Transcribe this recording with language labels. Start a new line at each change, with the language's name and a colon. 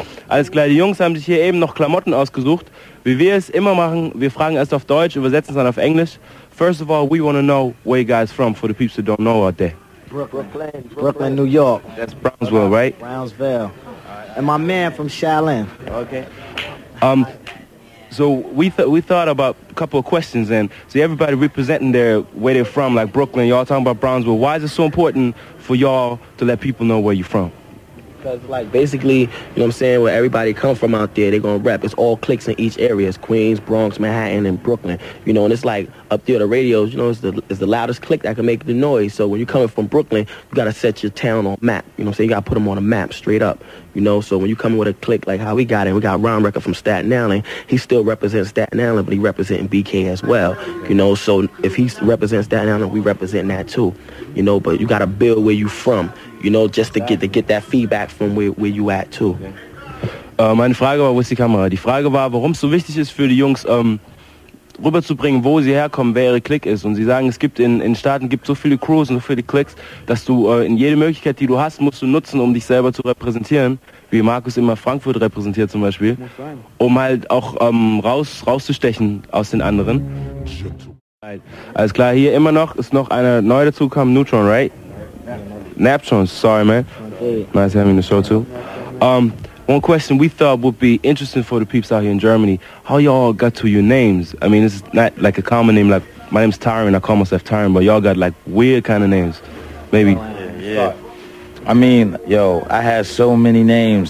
German: Alles klar, die Jungs haben sich hier eben noch Klamotten ausgesucht. Wie wir es immer machen, wir fragen erst auf Deutsch, übersetzen es dann auf Englisch.
English: First of all, we want to know where you guys from, for the peeps that don't know out there. Brooklyn, New York. That's Brownsville, right? Brownsville. And my man from Shaolin. Okay. So we thought about a couple of questions, and see everybody representing their where they're from, like Brooklyn, y'all talking about Brownsville. Why is it so important for y'all to let people know where you're from? Because, like, basically, you know what I'm saying, where everybody come from out there, they're going to rap. It's all cliques in each area. It's Queens, Bronx, Manhattan, and Brooklyn. You know, and it's like up there, the radios, you know, it's the loudest clique that can make the noise. So when you're coming from Brooklyn, you got to set your town on map. You know what I'm saying? You got to put them on a map straight up. You know, so when you come with a clique like how we got it, we got Rhymebreaker from Staten Island. He still represents Staten Island, but he representing BK as well. You know, so if he represents Staten Island, we representing that too. You know, but you got to build where you from. You know, just to get that feedback from where you at too.
German: Meine Frage war, wo ist die Kamera? Die Frage war, warum es so wichtig ist für die Jungs, rüberzubringen, wo sie herkommen, wer ihre Clique ist. Und sie sagen, es gibt in Staaten gibt so viele Crews und so viele Cliques, dass du in jede Möglichkeit, die du hast, musst du nutzen, um dich selber zu repräsentieren, wie Markus immer Frankfurt repräsentiert zum Beispiel, um halt auch rauszustechen aus den anderen. Alles klar, hier immer noch, ist noch einer neu dazugekommen, Neutron, right?
English: Neptron, sorry man. Nice having the show too. One question we thought would be interesting for the peeps out here in Germany. How y'all got to your names? I mean, it's not like a common name, like, my name's Tyron, I call myself Tyron, but y'all got like weird kind of names. Maybe. Yeah. I mean, yo, I had so many names.